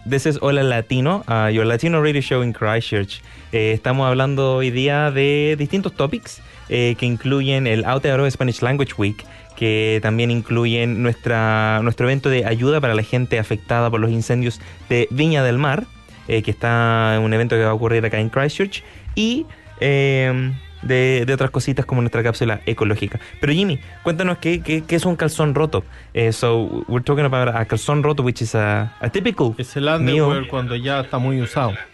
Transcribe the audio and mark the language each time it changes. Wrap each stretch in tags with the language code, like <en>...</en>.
<en>This is Hola Latino, your Latino radio show in Christchurch.</en> <es>Estamos hablando hoy día de distintos topics que incluyen el Aotearoa Spanish Language Week, que también incluyen nuestro evento de ayuda para la gente afectada por los incendios de Viña del Mar, que está un evento que va a ocurrir acá en Christchurch, y de otras cositas como nuestra cápsula ecológica. Pero Jimmy, cuéntanos qué es un calzón roto.</es> <en>So we're talking about a calzón roto, which is a typical meal.</en> <es>Es el underwear cuando ya está muy usado.</es>